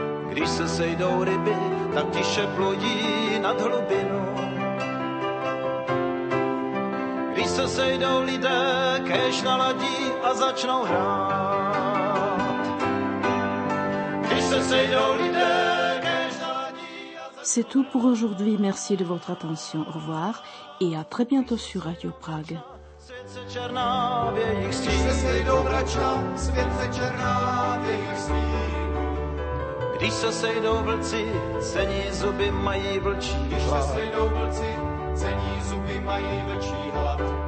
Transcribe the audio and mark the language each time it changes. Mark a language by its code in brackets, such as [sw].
[cs] Když se sejdou ryby, tak tiše plodí nad hlubinu. Když se sejdou lidé, kéž naladí a začnou hrát. Když se sejdou lidé, kéž naladí a začnou. [fr] C'est tout pour aujourd'hui. Merci de votre attention. Au revoir et à très bientôt sur Radio Prague. [cs] Svět se černá v jejich stínu. Když se sejdou vrača, svět se černá v jejich stínu. Když se sejdou vlci, cení zuby mají vlčí hlad. Když se sejdou vlci, cení zuby mají vlčí hlad.